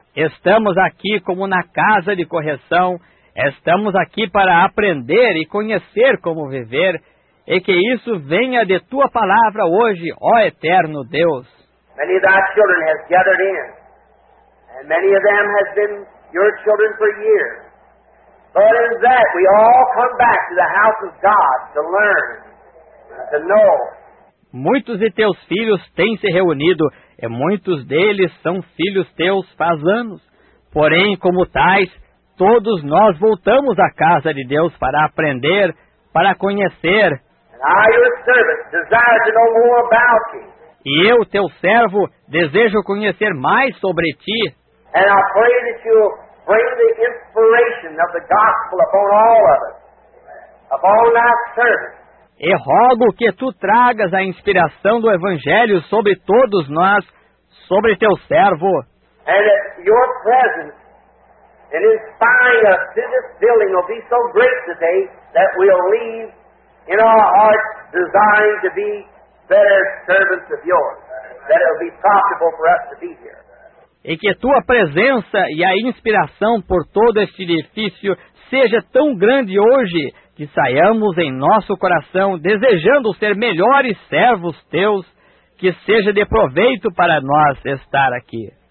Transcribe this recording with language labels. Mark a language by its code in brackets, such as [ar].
[pt] Estamos aqui como na casa de correção. Estamos aqui para aprender e conhecer como viver. E que isso venha de tua palavra hoje, ó eterno Deus. [en] Many of thy children have gathered in, and many of them have been your children for years. But in that we all come back to the house of God to learn, to know. [pt] Muitos de teus filhos têm se reunido, e muitos deles são filhos teus faz anos. Porém, como tais, todos nós voltamos à casa de Deus para aprender, para conhecer. [en] I, your servant, desire to know more about you. [pt] E eu, teu servo, desejo conhecer mais sobre ti. [en] And I pray that you'll bring the inspiration of the gospel upon all of us, upon our servants. [pt] E rogo que tu tragas a inspiração do Evangelho sobre todos nós, sobre teu servo. [en] And that your presence in inspiring us to this building will be so great today that we'll leave in our hearts, desiring to be better servants of yours, that it will be profitable for us to be here. [pt] E que tua presença e a inspiração por todo este edifício seja tão grande hoje, que saiamos em nosso coração desejando ser melhores servos teus, que seja de proveito para nós estar aqui.